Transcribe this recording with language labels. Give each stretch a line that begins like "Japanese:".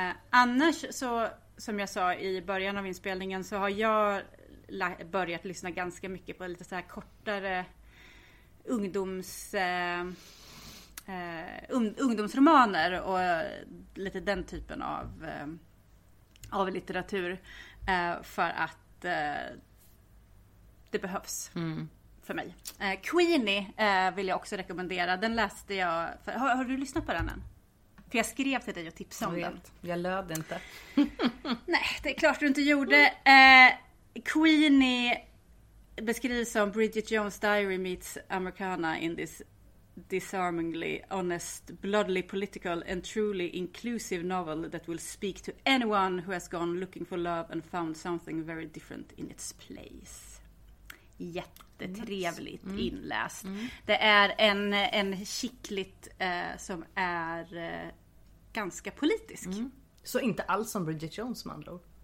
Swedish: Annars så, som jag sa i början av inspelningen, så har jag börjat lyssna ganska mycket på lite så här kortare ungdomsromaner och lite den typen av litteratur, för att det behövs för mig. Queenie vill jag också rekommendera. Den läste jag för, har du lyssnat på den än? För jag skrev till dig och tipsade om den. Jag löd inte. Nej, det är klart du inte gjorde. Queenie beskrivs som
English: Bridget Jones' Diary meets Americana in this disarmingly honest, bloodily political and truly inclusive novel that will speak to anyone who has gone looking for love and found something very different in its place.
Swedish: Jättetrevligt inläst. Det är en chicklit som är ganska politisk. Så inte alls som Bridget Jones, med andra ord.